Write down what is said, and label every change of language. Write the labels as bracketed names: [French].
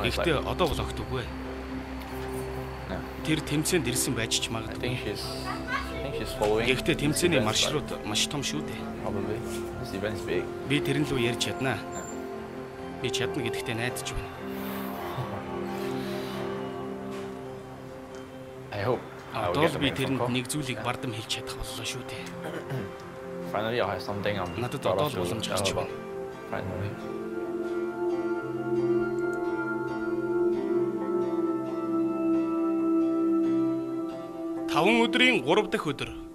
[Mongolian] Гэхдээ одоо бол огт үгүй. Тэр тэмцээнд ирсэн байж ч магадгүй. Гэхдээ тэмцээний маршрут маш том шүү дээ. Би тэрэн лүү ярьж чадна. Би чадна гэдэгт найдаж байна. [English] I hope I would get the phone call. [Mongolian] Бардам хэлж чадах боллоо шүү дээ. [English] Finally, I have something on. [Mongolian] Надад одоо боломж гарч байна. [English] Finally. [Mongolian] Таван өдрийн 3 дахь өдөр.